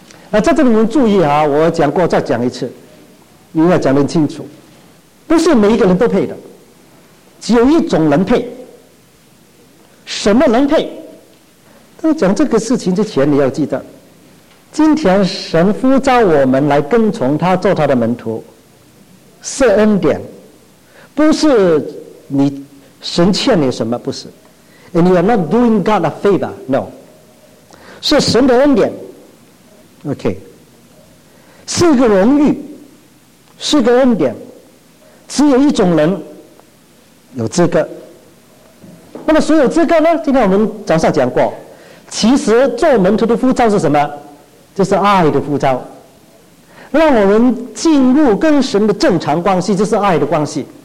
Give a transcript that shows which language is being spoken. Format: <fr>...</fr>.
<zh>那在这里你们注意啊，我讲过再讲一次，因为要讲得很清楚，不是每一个人都配的，只有一种能配。什么能配？当讲这个事情之前，你要记得，今天神呼召我们来跟从他，做他的门徒，是恩典，不是你神欠你什么，不是。</zh> <en>And you are not doing God a favor, no.</en> <zh>是神的恩典 ，OK， 是个荣誉，是个恩典。只有一种人有资格。那么谁有资格呢？今天我们早上讲过。其实做门徒的呼召是什么？就是爱的呼召，让我们进入跟神的正常关系，就是爱的关系。</zh>